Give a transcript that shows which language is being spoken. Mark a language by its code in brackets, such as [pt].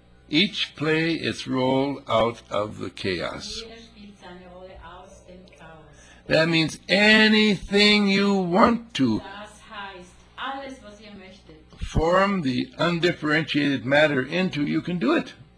[en] Each play its role out of the chaos. [de] Jeder spielt seine Rolle aus dem Chaos. [en] That means anything you want to. [de] Das heißt, alles, was ihr möchtet. [en] Form the undifferentiated matter into, you can do it.